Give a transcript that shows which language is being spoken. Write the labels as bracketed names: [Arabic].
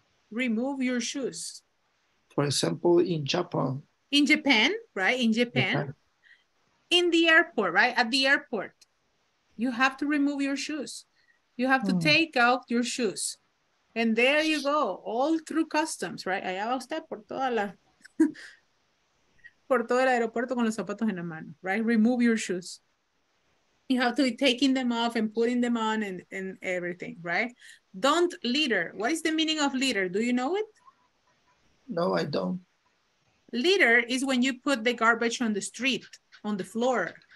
[English] Remove your shoes. For example, in Japan. In Japan, right? In Japan. In the airport, right? At the airport. You have to remove your shoes. You have to take out your shoes. And there you go, all through customs, right? [Spanish] Allá va usted por todo el aeropuerto con los zapatos en la mano, [English] right? Remove your shoes. You have to be taking them off and putting them on and everything, right? Don't litter. What is the meaning of litter? Do you know it? No, I don't. Litter is when you put the garbage on the street, on the floor.